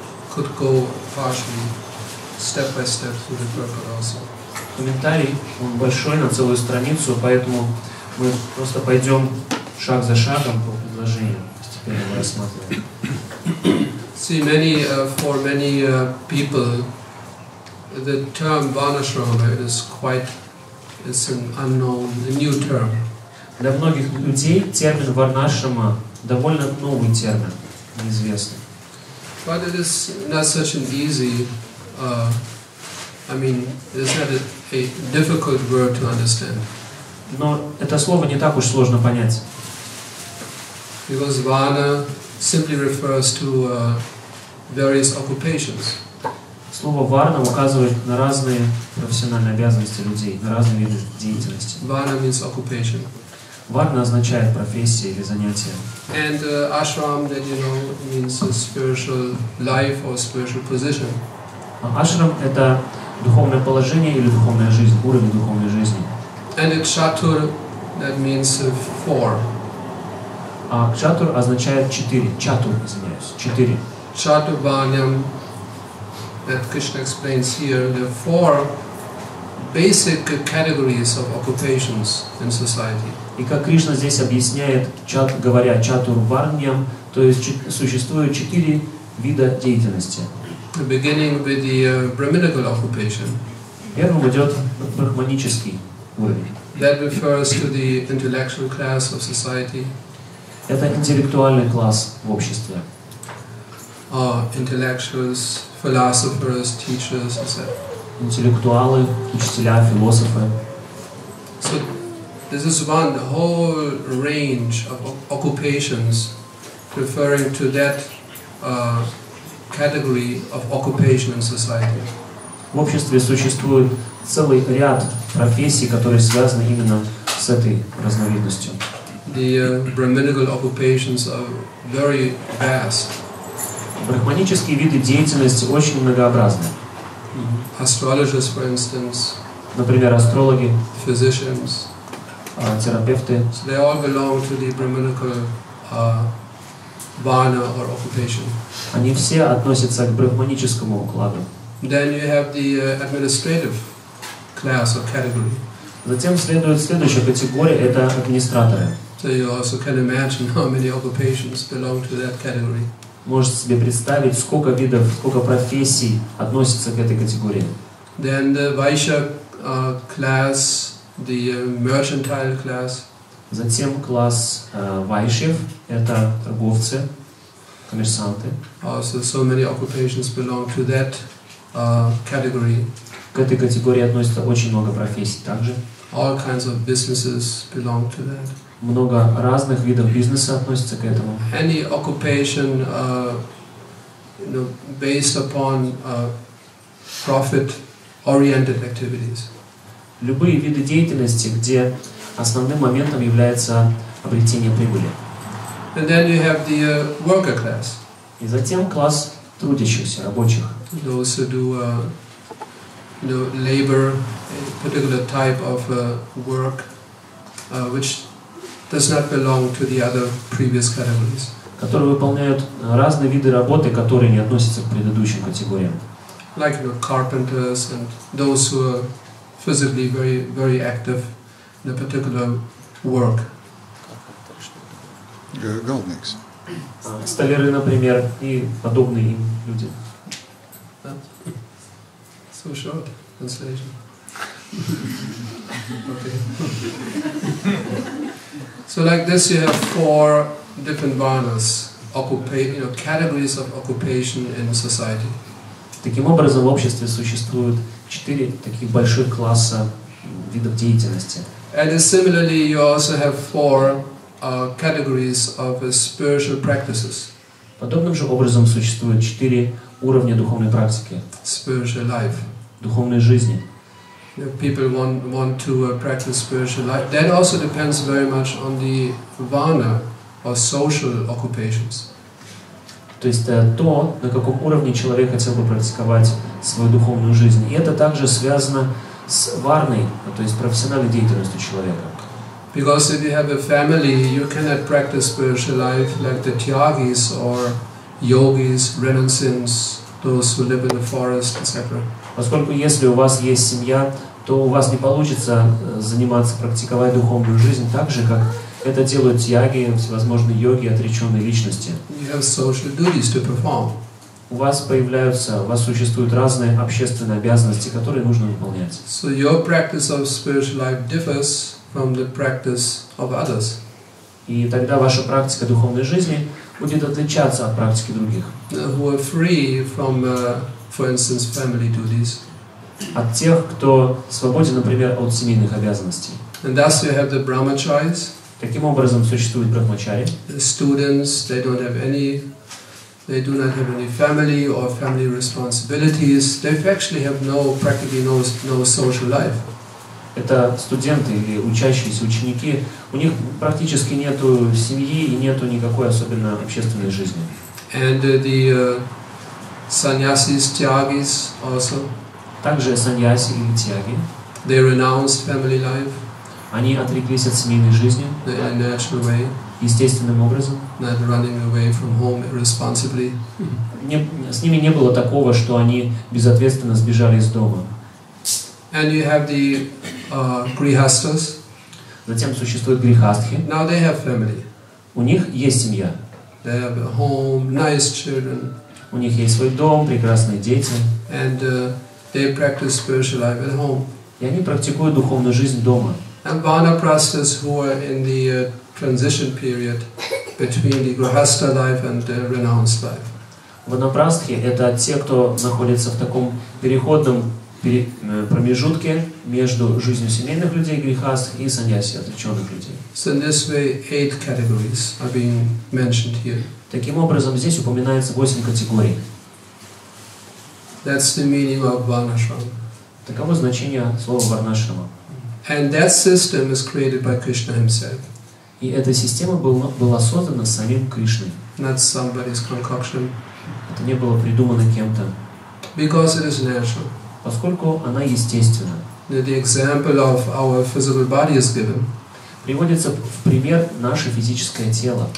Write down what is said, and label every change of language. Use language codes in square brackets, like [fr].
[en] Could go partially, step by step through the purport also. [ru] Комментарий, он большой, на целую страницу, поэтому мы просто пойдем шаг за шагом по предложению, постепенно его рассматриваем. [en] See, many, for many people, the term Varnashrama is quite, it's an unknown, a new term. [ru] Для многих людей термин Варнашрама довольно новый термин, неизвестный. [en] But it is not such an easy, it's not a difficult word to understand. [ru] Но это слово не так уж сложно понять. [en] Because vana simply refers to various occupations. [ru] Слово варна указывает на разные профессиональные обязанности людей, на разные виды деятельности. [en] Vana means occupation. [ru] Варна означает профессия или занятие. [en] And ashram, that you know, means a spiritual life or spiritual position. [ru] Ashram — это духовное положение или духовная жизнь, уровень духовной жизни. [en] And a chatur, that means 4. [ru] А chatur означает 4. Chatur, извиняюсь, 4. [en] Chatur banyam, that Krishna explains here, the 4 basic categories of occupations in society. [ru] И как Кришна здесь объясняет, говоря чатурварням, то есть существует 4 вида деятельности. [en] Beginning with the brahminical occupation. [ru] Первым идет брахманический уровень. [en] That refers to the intellectual class of society. [ru] Это интеллектуальный класс в обществе. [en] Intellectuals, philosophers, teachers, etc. [ru] Интеллектуалы, учителя, философы. [en] This is one, the whole range of occupations referring to that category of occupation in society. [ru] В обществе существует целый ряд профессий, которые связаны именно с этой разновидностью. [en] The brahminical occupations are very vast. [ru] Брахманические виды деятельности очень многообразны. [en] Astrologers, for instance. [ru] Например, астрологи. [en] Physicians. [ru] Терапевты. [en] So they all belong to the brahminical vana or occupation. [ru] Они все относятся к брахманическому укладу. [en] Then you have the administrative class or category. [ru] Затем следует следующая категория, это администраторы. [en] So you also can imagine how many occupations belong to that category. [ru] Можете себе представить, сколько видов, сколько профессий относится к этой категории. [en] Then the vaishya class, the mercantile class. [ru] Затем класс вайшев, это торговцы, коммерсанты. [en] Also, so many occupations belong to that category. [ru] К этой категории относится очень много профессий также. [en] All kinds of businesses belong to that. [ru] Много разных видов бизнеса относится к этому. [en] Any occupation, you know, based upon profit-oriented activities. [ru] Любые виды деятельности, где основным моментом является обретение прибыли. [en] And then you have the worker class. [ru] И затем класс трудящихся, рабочих. [en] Those who do, you know, labor, a particular type of work, which does not belong to the other previous categories. [ru] Которые выполняют разные виды работы, которые не относятся к предыдущим категориям. [en] Like, you know, carpenters and those who are physically very, very active in a particular work. Голдникс. [ru] Столяры, например, и подобные им люди. [en] So short translation. Okay. So like this, you have four different varnas, you know, categories of occupation in society. [ru] Таким образом, в обществе существует четыре таких больших класса видов деятельности. [en] And similarly, you also have four categories of spiritual practices. [ru] Подобным же образом существует четыре уровня духовной практики. [en] Spiritual life. [ru] Духовной жизни. [en] If people want to practice spiritual life, that also depends very much on the vana or social occupations. [ru] То есть то, на каком уровне человек хотел бы практиковать свою духовную жизнь. И это также связано с варной, то есть профессиональной деятельностью человека. [en] Because if you have a family, you cannot practice spiritual life like the tyagis or yogis, renunciants, those who live in the forest, etc. [ru] Поскольку если у вас есть семья, то у вас не получится заниматься, практиковать духовную жизнь так же, как это делают тьяги, всевозможные йоги, отреченные личности. [en] You have social duties to perform. [ru] У вас появляются, у вас существуют разные общественные обязанности, которые нужно выполнять. [en] So your practice of spiritual life differs from the practice of others. [ru] И тогда ваша практика духовной жизни будет отличаться от практики других. [en] Who are free from, for instance, family duties. [ru] От тех, кто свободен, например, от семейных обязанностей. [en] And thus you have the brahmacharis. [ru] Таким образом существуют брахмачари. [en] Students, they don't have any, they do not have any family or family responsibilities. They actually have no, practically no, no social life. [ru] Это студенты или учащиеся, ученики. У них практически нету семьи и нету никакой особенно общественной жизни. [en] And the sannyasis, tyagis also. [ru] Также саньяси или тьяги. [en] They renounced family life. [ru] Они отреклись от семейной жизни. [en] In a natural way. [ru] Естественным образом. [en] Not running away from home irresponsibly. [ru] С ними не было такого, что они безответственно сбежали из дома. [en] And you have the grihasthas. [ru] Затем существуют грихастхи. [en] Now they have family. [ru] У них есть семья. [en] They have a home, nice children. [ru] У них есть свой дом, прекрасные дети. [en] And they practice spiritual life at home. [ru] И они практикуют духовную жизнь дома. [en] And vanaprasthas who are in the transition period between the grihastha life and the renounced life. [ru] Ванапрастхи — это те, кто находится в таком переходном промежутке между жизнью семейных людей, грихаст, и саньяси, отреченных людей. [en] So in this way, eight categories are being mentioned here. [ru] Таким образом, здесь упоминается 8 категорий. [en] That's the meaning of Varnashram. [ru] Таково значение слова Варнашрама. [en] And that system is created by Krishna himself. [ru] И эта система была создана самим Кришной. [en] Not somebody's concoction. [ru] Это не было придумано кем-то. [en] Because it is natural. [ru] Поскольку она естественна. [en] The example of our physical body is given. [ru] приводится в пример наше физическое тело.